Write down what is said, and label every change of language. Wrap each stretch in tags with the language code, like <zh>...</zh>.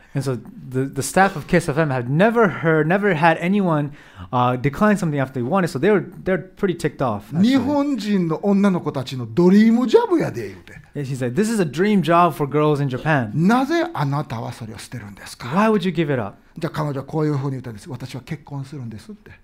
<en>And so the staff of Kiss FM had never had anyone decline something after they wanted, so they're pretty ticked off. Actually.</en> <ja>日本人の女の子たちのドリームジャブやで言うて。</ja> <en>She said, "This is a dream job for girls in Japan."</en> <ja>なぜあなたはそれを捨てるんですか?</ja> <en>Why would you give it up?</en> <ja>じゃあ彼女はこういうふうに言ったんです。私は結婚するんですって。</ja>